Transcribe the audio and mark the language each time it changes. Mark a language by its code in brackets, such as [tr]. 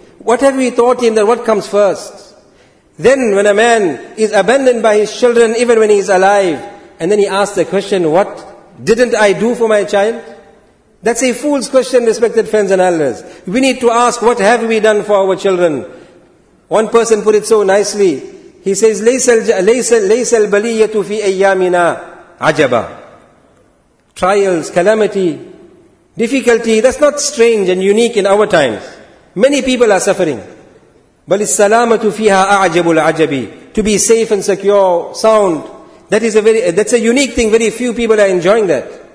[en] What have we taught him that what comes first? Then when a man is abandoned by his children, even when he is alive, and then he asks the question, what didn't I do for my child? That's a fool's question, respected friends and elders. We need to ask, what have we done for our children? One person put it so nicely. He says, [ar] لَيْسَ الْبَلِيَّةُ فِي أَيَّامِنَا عَجَبًا. [en] Trials, calamity, difficulty, that's not strange and unique in our times. Many people are suffering. [ar] بَلِ السَّلَامَةُ فِيهَا أَعْجَبُ الْعَجَبِ. [en] To be safe and secure, sound, that's a unique thing, very few people are enjoying that.